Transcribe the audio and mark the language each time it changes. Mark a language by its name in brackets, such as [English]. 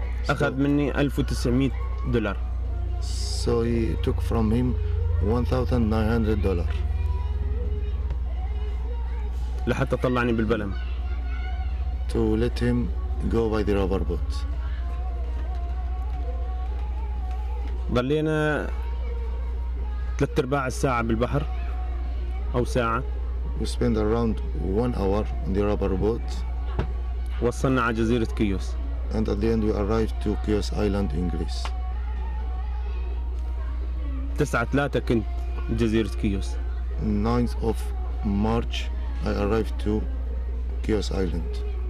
[Arabic] أخذ مني 1900 دولار. [English] So he took from him $1,900. [Arabic] لحتى طلعني بالبلم. [English] To let him go by the rubber boat. [Arabic] ضلينا ثلاث ارباع الساعة بالبحر أو ساعة. [English] We spend around 1 hour on the rubber boat. [Arabic] وصلنا على جزيرة كيوس. [English] And at the end we arrived to Kios Island in Greece. [Arabic] 9/3 كنت جزيرة كيوس. [English] 9th of March I arrived to Kios Island.